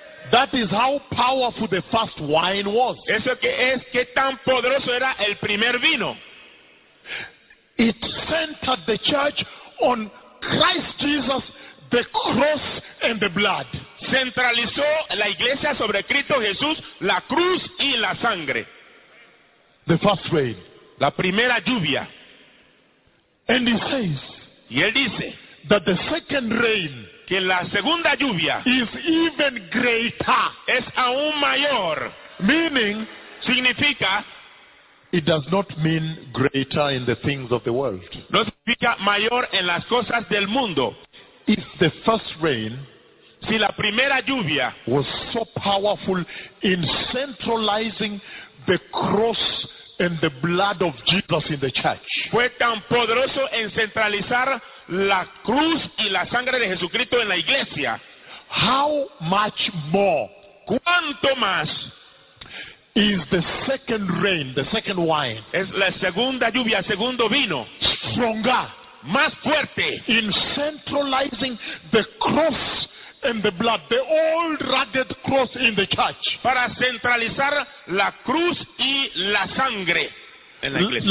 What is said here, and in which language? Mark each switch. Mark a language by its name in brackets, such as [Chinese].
[English] That is how powerful the first wine was. [Spanish] Eso que es que tan poderoso era el primer vino. [English] It centered the church on Christ Jesus, the cross and the blood. [Spanish] Centralizó la iglesia sobre Cristo Jesús, la cruz y la sangre. [English] The first rain. [Spanish] La primera lluvia. [English] And he says, [Spanish] y él dice, [English] that the second rain, [Spanish] que la segunda lluvia, [English] is even greater, [Spanish] es aún mayor. [English] Meaning, [Spanish] significa, [English] it does not mean greater in the things of the world. [Spanish] No significa mayor en las cosas del mundo. [English] If the first rain, [Spanish] si la primera lluvia, [English] was so powerful in centralizing the cross and the blood of Jesus in the church, [Spanish] fue tan poderoso en centralizar la cruz y la sangre de Jesucristo en la iglesia, [English] how much more, [Spanish] cuánto más, [English] is the second rain, the second wine, [Spanish] es la segunda lluvia, segundo vino, [English] stronger, [Spanish] más fuerte, [English] in centralizing the cross and the blood, the old rugged cross in the church, [Spanish] para centralizar la cruz y la sangre en la iglesia,